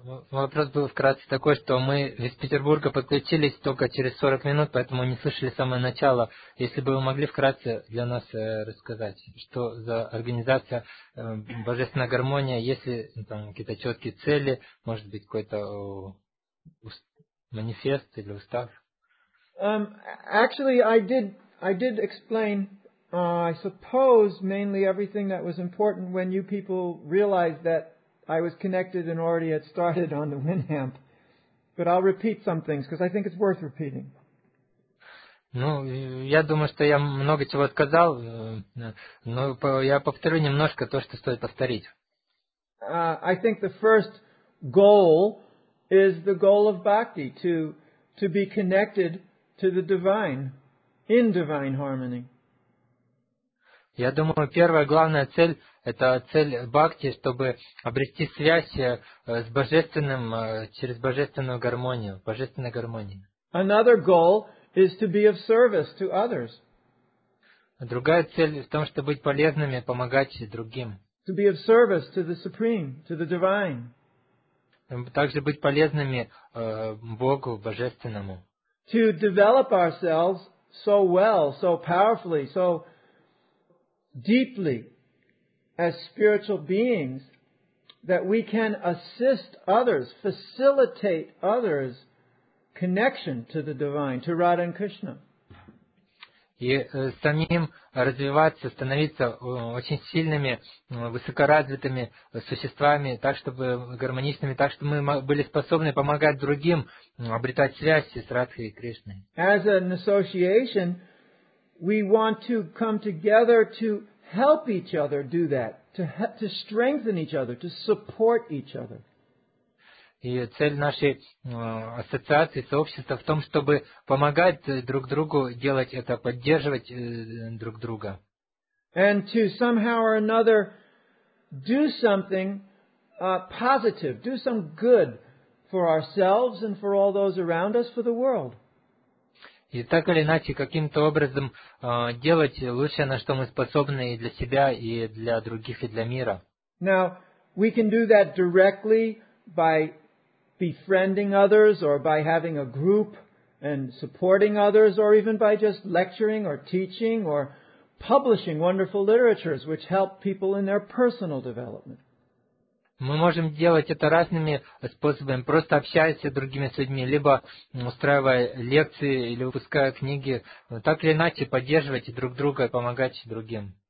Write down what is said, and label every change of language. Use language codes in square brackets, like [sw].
[ru] Вопрос был вкратце такой, что мы из Петербурга подключились только через 40 минут, поэтому не слышали самое начало. Если бы вы могли вкратце для нас рассказать, что за организация «Божественная гармония», есть ли там какие-то четкие цели, может быть, какой-то манифест или устав? [en] Actually, I did explain, I suppose, mainly everything that was important when you people realized that I was connected and already had started on the WinAmp, but I'll repeat some things because I think it's worth repeating. [ru] Ну, я думаю, что я много чего сказал, но я повторю немножко то, что стоит повторить. [en] I think the first goal is the goal of bhakti, to be connected to the divine, in divine harmony. [ru] Я думаю, первая главная цель – это цель бхакти, чтобы обрести связь с божественным, через божественную гармонию, божественной гармонии. [en] Another goal is to be of service to others. [ru] Другая цель в том, чтобы быть полезными, помогать другим. [en] To be of service to the supreme, to the divine. [ru] Также быть полезными Богу, божественному. [en] To develop ourselves so well, so powerfully, so deeply as spiritual beings that we can assist others, facilitate others' connection to the divine, to Radha and Krishna. [ru] И самим развиваться, становиться очень сильными, высокоразвитыми существами, так чтобы гармоничными, так чтобы мы были способны помогать другим обретать связь с Радхой и Кришной. [en] As an association, we want to come together to help each other do that, to strengthen each other, to support each other. [ru] И цель нашей ассоциации, сообщества в том, чтобы помогать друг другу делать это, поддерживать друг друга. [en] And to somehow or another do something positive, do some good for ourselves and for all those around us, for the world. [ru] И так или иначе, каким-то образом делать лучшее, на что мы способны, и для себя, и для других, и для мира. [en] Now, we can do that directly by befriending others, or by having a group and supporting others, or even by just lecturing or teaching or publishing wonderful literatures, which help people in their personal development. [ru] Мы можем делать это разными способами, просто общаясь с другими людьми, либо устраивая лекции или выпуская книги, так или иначе поддерживать друг друга и помогать другим.